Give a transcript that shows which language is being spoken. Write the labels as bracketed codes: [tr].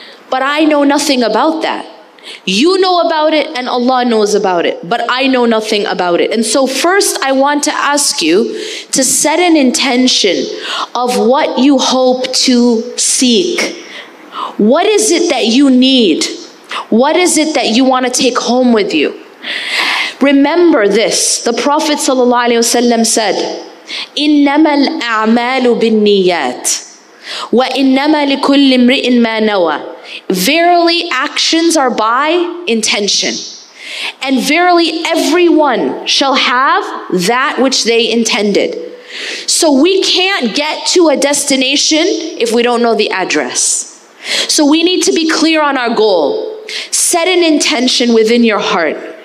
[en] But I know nothing about that. You know about it and Allah knows about it, but I know nothing about it. And so first I want to ask you to set an intention of what you hope to seek. What is it that you need? What is it that you want to take home with you? Remember this. The Prophet ﷺ said, [ar] إِنَّمَا الْأَعْمَالُ بِالنِّيَّاتِ وَإِنَّمَا لِكُلِّ امْرِئٍ مَا نَوَى. [en] Verily, actions are by intention. And verily, everyone shall have that which they intended. So we can't get to a destination if we don't know the address. So we need to be clear on our goal. Set an intention within your heart.